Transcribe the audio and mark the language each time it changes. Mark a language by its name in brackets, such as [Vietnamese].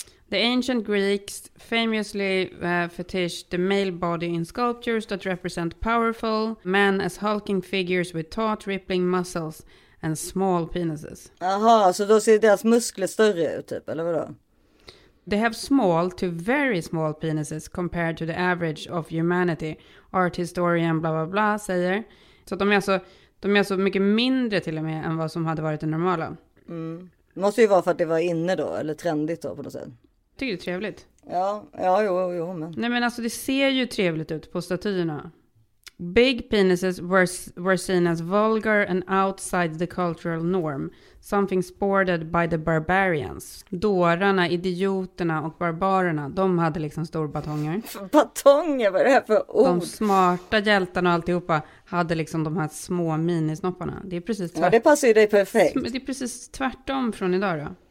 [English] The ancient Greeks famously fetished the male body in sculptures that represent powerful men as hulking figures with taut rippling muscles and small penises. [Swedish] Aha, så då ser deras muskler större ut typ, eller vadå? [English] They have small to very small penises compared to the average of humanity. Art historian [Swedish] bla bla bla säger. Så att de är alltså mycket mindre till och med än vad som hade varit det normala. Mm. Måste ju vara för att det var inne då, eller trendigt då på något sätt. Tycker du det är trevligt? Ja, men. Nej, men alltså det ser ju trevligt ut på statyerna. [English] Big penises were seen as vulgar and outside the cultural norm. Something sported by the barbarians. [Swedish] Dårarna, idioterna och barbarerna, de hade liksom stor batonger. Batonger, vad är det här för ord? De smarta hjältarna och alltihopa hade liksom de här små minisnopparna. Det är precis tvärtom. Ja, det passar ju dig perfekt. Det är precis tvärtom från idag då.